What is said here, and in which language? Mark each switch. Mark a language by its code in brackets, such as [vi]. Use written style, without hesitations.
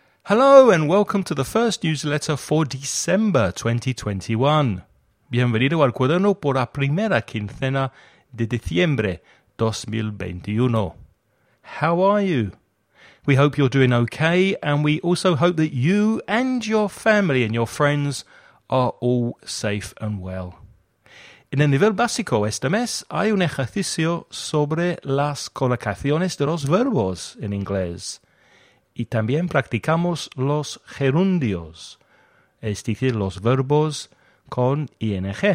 [en] Hello and welcome to the first newsletter for December 2021. [es] Bienvenido al cuaderno por la primera quincena de diciembre 2021. [en] How are you? We hope you're doing okay, and we also hope that you and your family and your friends are all safe and well. [es] En el nivel básico este mes hay un ejercicio sobre las colocaciones de los verbos en inglés. Y también practicamos los gerundios, es decir, los verbos con ing.